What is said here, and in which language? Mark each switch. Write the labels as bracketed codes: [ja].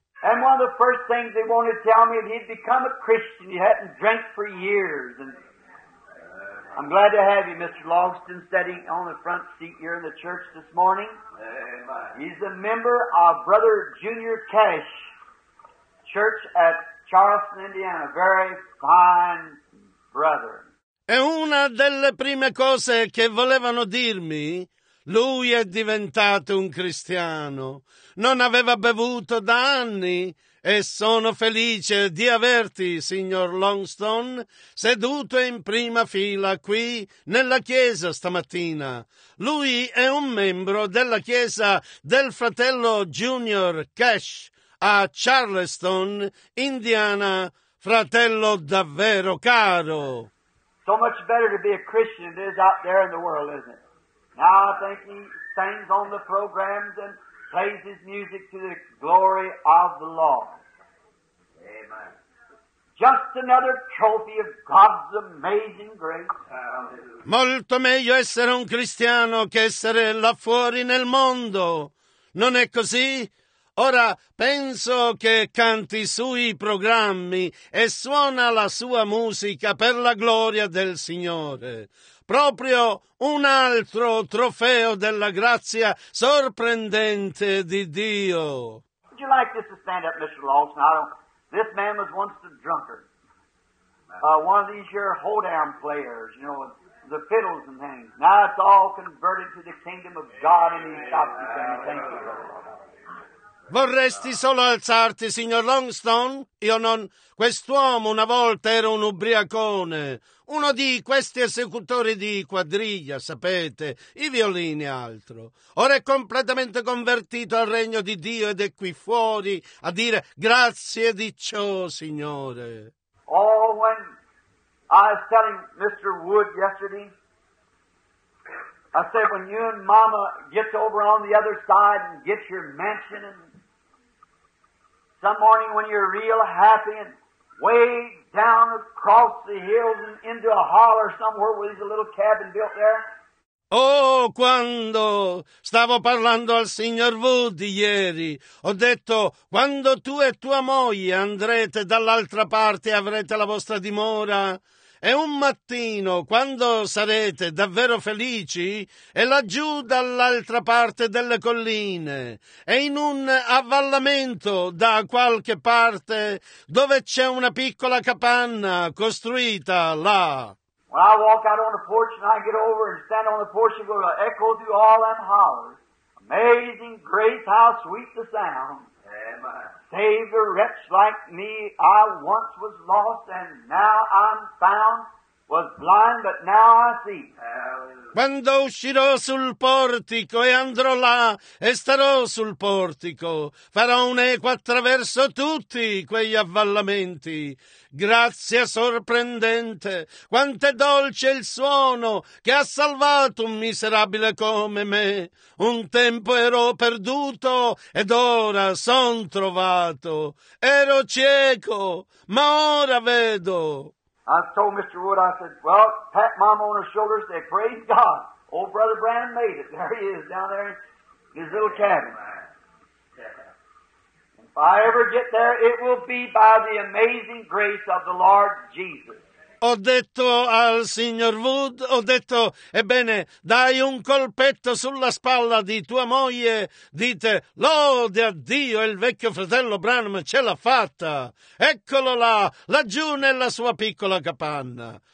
[en] And one of the first things they wanted to tell me that he'd become a Christian. He hadn't drank for years. And I'm glad to have you, Mr. Logston, sitting on the front seat here in the church this morning. Amen. He's a member of Brother Junior Cash Church at Charleston, Indiana. Very fine brother. [it] E una delle prime cose che volevano dirmi, lui è diventato un cristiano. Non aveva bevuto da anni. E sono felice di averti, signor Longstone, seduto in prima fila qui nella chiesa stamattina. Lui è un membro della chiesa del fratello Junior Cash a Charleston, Indiana. Fratello davvero caro. [en] So much better to be a Christian than it is out there in the world, isn't it? Now I think he sings on the programs and plays his music to the glory of the Lord. Just another trophy of God's amazing grace. [it] Molto meglio essere un cristiano che essere là fuori nel mondo. Non è così? Ora penso che canti sui programmi e suona la sua musica per la gloria del Signore. Proprio un altro trofeo della grazia sorprendente di Dio. [en] Would you like this to stand up, Mr. Lawson? This man was once a drunkard. One of these here hold-down players, you know, the fiddles and things. Now it's all converted to the kingdom of God and he's got to say thank you. [it] Vorresti solo alzarti, signor Longstone? Io non... Quest'uomo una volta era un ubriacone, uno di questi esecutori di quadriglia, sapete, i violini e altro. Ora è completamente convertito al regno di Dio ed è qui fuori a dire grazie di ciò, signore. [en] Oh, when I was telling Mr. Wood yesterday, I said, when you and Mama get over on the other side and get your mansion and some morning when you're real happy and way down across the hills and into a holler somewhere with a little cabin built there. [it] Oh, quando stavo parlando al signor Wood ieri, ho detto, quando tu e tua moglie andrete dall'altra parte e avrete la vostra dimora, e un mattino, quando sarete davvero felici, è laggiù dall'altra parte delle colline, e in un avvallamento da qualche parte dove c'è una piccola capanna costruita là. [en] When I walk out on the porch and I get over and stand on the porch, it will echo through all them hollers. Amazing grace, how sweet the sound. Save a wretch like me, I once was lost and now I'm found. Was blind, but now I see. [it] Quando uscirò sul portico e andrò là e starò sul portico, farò un eco attraverso tutti quegli avvallamenti. Grazia sorprendente, quanto è dolce il suono che ha salvato un miserabile come me. Un tempo ero perduto ed ora son trovato. Ero cieco, ma ora vedo. [en] I told Mr. Wood, I said, well, pat Mama on her shoulder, say, praise God. Old Brother Branham made it. There he is down there in his little cabin. If I ever get there, it will be by the amazing grace of the Lord Jesus. [it] Ho detto al signor Wood, ho detto, ebbene, dai un colpetto sulla spalla di tua moglie, dite, lode a Dio, il vecchio fratello Branham ce l'ha fatta. Eccolo là, laggiù nella sua piccola capanna.